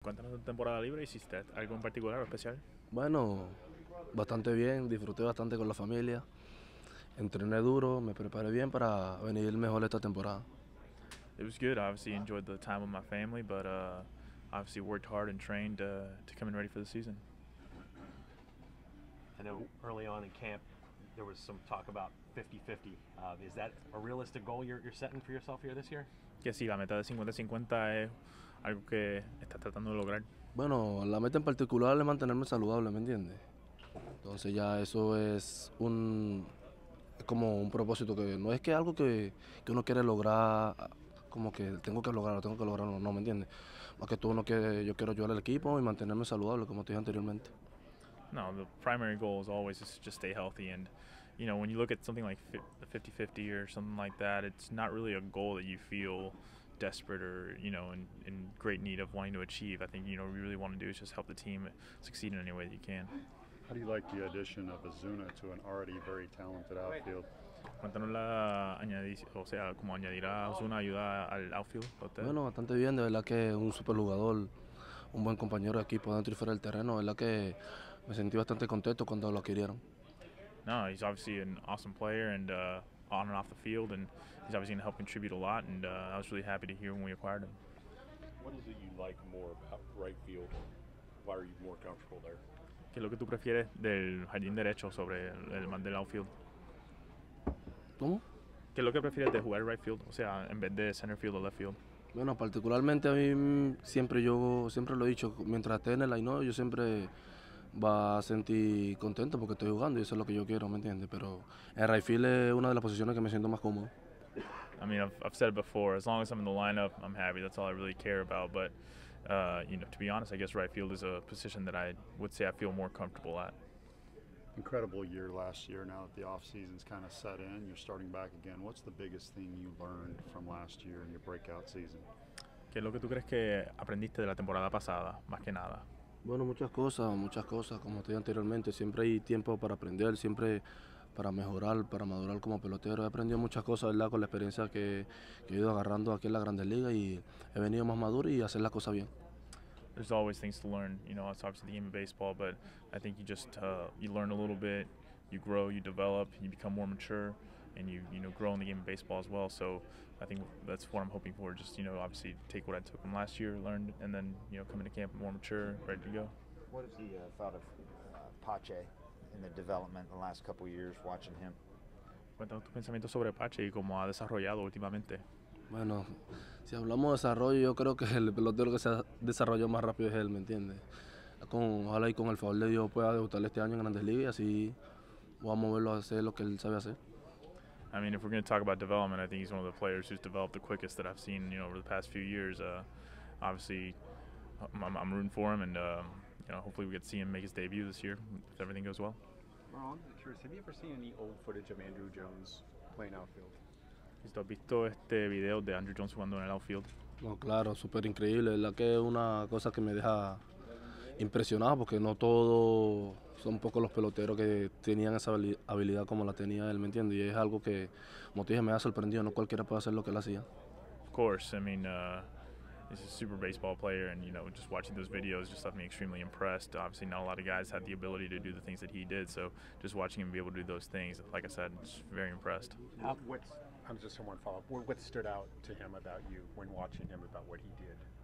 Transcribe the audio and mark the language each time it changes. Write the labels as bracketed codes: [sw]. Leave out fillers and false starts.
[es] Cuéntanos de temporada libre, ¿hiciste algo en particular o especial? Bueno, bastante bien, disfruté bastante con la familia, entrené duro, me preparé bien para venir mejor esta temporada. [en] It was good. Obviously, enjoyed the time with my family, but obviously worked hard and trained to come in ready for the season. I know early on in camp, there was some talk about 50-50. Is that a realistic goal you're setting for yourself here this year? [es] Que sí, la meta de 50-50 es algo que está tratando de lograr. Bueno, la meta en particular es mantenerme saludable, ¿me entiendes? Entonces ya eso es como un propósito que no es que algo que uno quiere lograr, como que tengo que lograrlo, no, ¿me entiendes? Más que todo yo quiero ayudar al equipo y mantenerme saludable, como te dije anteriormente. [en] No, the primary goal is always just to stay healthy, and you know, when you look at something like the 50-50 or something like that, it's not really a goal that you feel desperate or, you know, in great need of wanting to achieve. I think, you know, what you really want to do is just help the team succeed in any way that you can. How do you like the addition of Ozuna to an already very talented outfield? [es] Cuéntanos la añadir, o sea, cómo añadirá Ozuna ayuda al outfield. Bueno, bastante bien, de verdad que un super jugador, un buen compañero de equipo dentro y fuera del terreno, de verdad que me sentí bastante contento cuando lo adquirieron. [en] No, he's obviously an awesome player and on and off the field, and he's obviously going to help contribute a lot, and I was really happy to hear when we acquired him. What is it you like more about right field? Why are you more comfortable there? [es] ¿Qué es lo que tú prefieres del jardín derecho sobre el man del outfield? ¿Cómo? ¿Qué es lo que prefieres de jugar right field? O sea, en vez de center field o left field. Bueno, particularmente a mí siempre lo he dicho, mientras esté en el line-up, yo siempre va a sentir contento porque estoy jugando y eso es lo que yo quiero, ¿me entiendes? Pero el right field es una de las posiciones que me siento más cómodo. [en] I mean, I've said it before, as long as I'm in the lineup, I'm happy. That's all I really care about. But, you know, to be honest, I guess right field is a position that I would say I feel more comfortable at. Incredible year last year. Now that the off season's kind of set in, you're starting back again. What's the biggest thing you learned from last year in your breakout season? [es] ¿Qué es lo que tú crees que aprendiste de la temporada pasada, más que nada? Bueno, muchas cosas, como te dije anteriormente, siempre hay tiempo para aprender, siempre para mejorar, para madurar como pelotero. He aprendido muchas cosas, ¿verdad? Con la experiencia que he ido agarrando aquí en la Grandes Ligas y he venido más maduro y hacer las cosas bien. [en] There's always things to learn, you know, it's obviously the game of baseball, but I think you learn a little bit, you grow, you develop, you become more mature, and you know, grow in the game of baseball as well. So I think that's what I'm hoping for, just, you know, obviously take what I took from last year, learned, and then, you know, come into camp more mature, ready to go. What is the thought of Pache in the development in the last couple of years, watching him? [es] Cuéntanos tu pensamiento sobre Pache y cómo ha desarrollado últimamente. Bueno, si hablamos de desarrollo, yo creo que el pelotero que se ha desarrollado más rápido es él, ¿me entiendes? Ojalá y con el favor de Dios pueda debutar este año en Grandes Ligas y así vamos a verlo a hacer lo que él sabe hacer. [en] I mean, if we're going to talk about development, I think he's one of the players who's developed the quickest that I've seen, you know, over the past few years. Obviously, I'm rooting for him, and you know, hopefully we get to see him make his debut this year if everything goes well. Ron, I'm curious, have you ever seen any old footage of Andrew Jones playing outfield? [es] ¿Has visto este video de Andrew Jones jugando en el outfield? No, claro, súper increíble. La que es una cosa que me deja impresionado porque no todos son pocos los peloteros que tenían esa habilidad como la tenía él, ¿me entiendes? Y es algo que, como te dije, me ha sorprendido. No cualquiera puede hacer lo que él hacía. [en] Of course, I mean, he's a super baseball player, and you know, just watching those videos just left me extremely impressed. Obviously, not a lot of guys had the ability to do the things that he did, so just watching him be able to do those things, like I said, I'm just very impressed. What stood out to him about you when watching him about what he did?